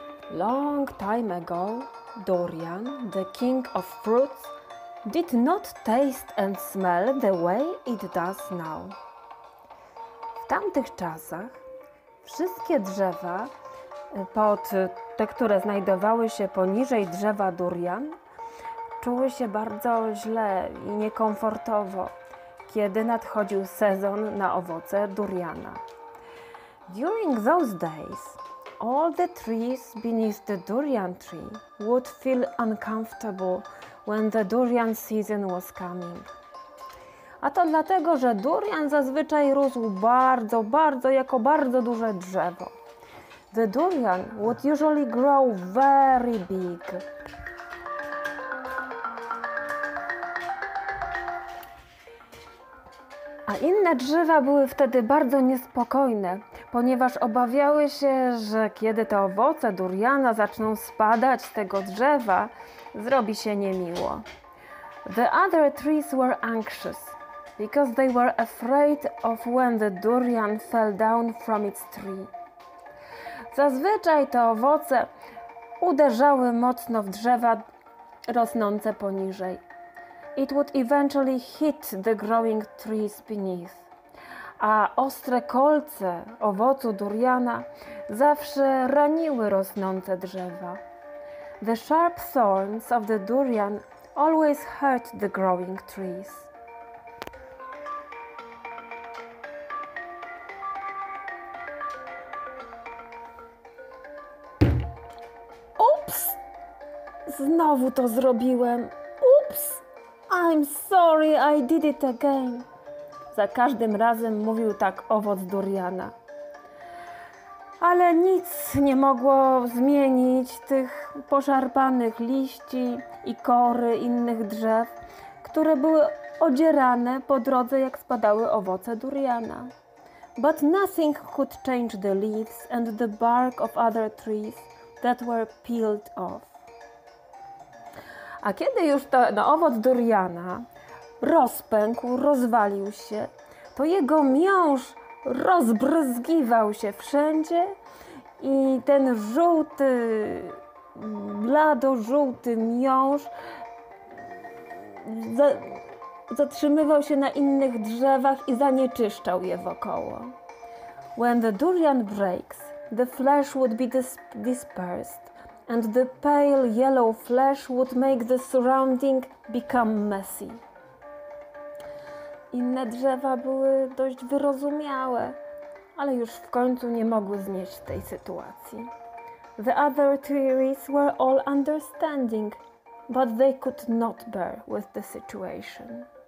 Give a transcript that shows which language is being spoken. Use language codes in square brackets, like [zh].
[en] Long time ago, durian, the king of fruits, did not taste and smell the way it does now. [pl] W tamtych czasach wszystkie drzewa, pod te, które znajdowały się poniżej drzewa durian, czuły się bardzo źle i niekomfortowo, kiedy nadchodził sezon na owoce duriana. [en] During those days, all the trees beneath the durian tree would feel uncomfortable when the durian season was coming. [pl] A to dlatego, że durian zazwyczaj rósł bardzo, bardzo, jako bardzo duże drzewo. [en] The durian would usually grow very big. [pl] A inne drzewa były wtedy bardzo niespokojne, ponieważ obawiały się, że kiedy te owoce duriana zaczną spadać z tego drzewa, zrobi się niemiło. [en] The other trees were anxious, because they were afraid of when the durian fell down from its tree. [pl] Zazwyczaj te owoce uderzały mocno w drzewa rosnące poniżej. [en] It would eventually hit the growing trees beneath. [pl] A ostre kolce owocu duriana zawsze raniły rosnące drzewa. [en] The sharp thorns of the durian always hurt the growing trees. [pl] Ups! Znowu to zrobiłem. Ups! [en] I'm sorry, I did it again. [pl] Za każdym razem mówił tak owoc duriana. Ale nic nie mogło zmienić tych poszarpanych liści i kory innych drzew, które były odzierane po drodze, jak spadały owoce duriana. [en] But nothing could change the leaves and the bark of other trees that were peeled off. [pl] A kiedy już owoc duriana rozpękł, rozwalił się, to jego miąższ rozbryzgiwał się wszędzie i ten żółty, bladożółty miąższ zatrzymywał się na innych drzewach i zanieczyszczał je wokoło. [en] When the durian breaks, the flesh would be dispersed. And the pale yellow flesh would make the surrounding become messy. [pl] Inne drzewa były dość wyrozumiałe, ale już w końcu nie mogły znieść tej sytuacji. [en] The other trees were all understanding, but they could not bear with the situation.